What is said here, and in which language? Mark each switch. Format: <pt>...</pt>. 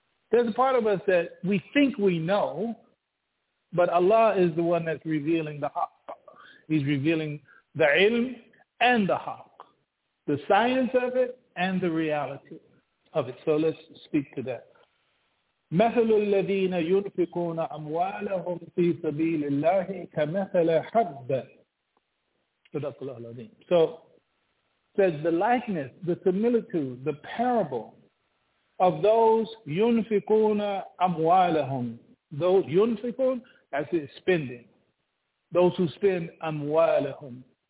<en>There's a part of us that we think we know, but Allah is the one that's revealing the haqq. He's revealing the ilm and the haqq, the science of it and the reality of it. So let's speak to that.</en> <ar>مثل الذين ينفقون أموالهم في سبيل الله كمثل حبة. صدق الله العظيم.</ar> <en>So says the likeness, the similitude, the parable of those</en> <ar>ينفقون أموالهم.</ar> <en>Those</en> <ar>ينفقون,</ar> <en>as it's spending. Those who spend</en> <ar>أموالهم.</ar>